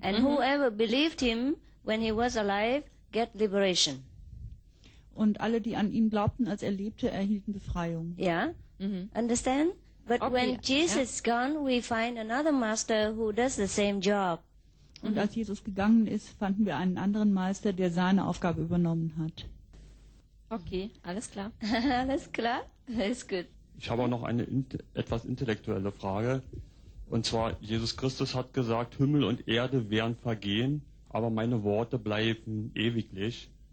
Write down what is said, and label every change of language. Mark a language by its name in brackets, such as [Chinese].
[English] And whoever believed him when he was alive get liberation. [German] Und alle, die an ihn glaubten, als er lebte, erhielten Befreiung. [English] Ja, yeah. Understand? But when Jesus is gone, we find another master who does the same job. [German] Und als Jesus gegangen ist, fanden wir einen anderen Meister, der seine Aufgabe übernommen hat. Okay, alles klar. Alles klar, ist gut. Ich habe auch noch eine etwas intellektuelle Frage. Und zwar, Jesus Christus hat gesagt, Himmel und Erde werden vergehen, aber meine Worte bleiben ewiglich.